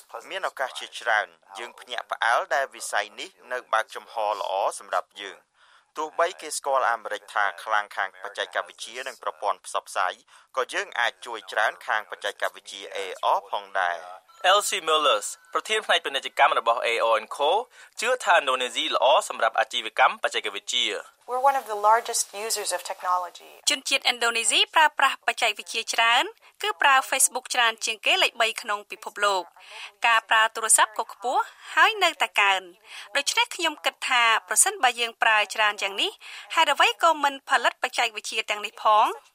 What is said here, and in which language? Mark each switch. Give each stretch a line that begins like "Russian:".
Khmer: មានឱកាសជាច្រើនយើងភ្ញាក់ផ្អើលដែលវិស័យនេះនៅបើកចំហល្អសម្រាប់យើងទោះបីគេស្គាល់អាមេរិកថាខ្លាំងខាងបច្ចេកវិទ្យានិងប្រព័ន្ធផ្សព្វផ្សាយក៏យើងអាចជួយច្រើនខាងបច្ចេកវិទ្យា AR ផងដែរ Elsie Mullers ប្រធានផ្នែកពាណិជ្ជកម្មរបស់ AR & Co ជឿថាឥណ្ឌូនេស៊ីល្អសម្រាប់អាជីវកម្មបច្ចេកវិទ្យា
English: We're one of the largest users of technology
Khmer: ជនជាតិឥណ្ឌូនេស៊ីប្រើប្រាស់បច្ចេកវិទ្យាច្រើនគឺប្រើ Facebook ច្រើនជាងគេលេខ3ក្នុងពិភពលោកការប្រើទូរស័ព្ទក៏ខ្ពស់ហើយនៅតែកើនដូច្នេះខ្ញុំគិតថាប្រសិនបើយើងប្រើច្រើនយ៉ាងនេះហេតុអ្វីក៏មិនផលិតបច្ចេកវិទ្យាទាំងនេះផង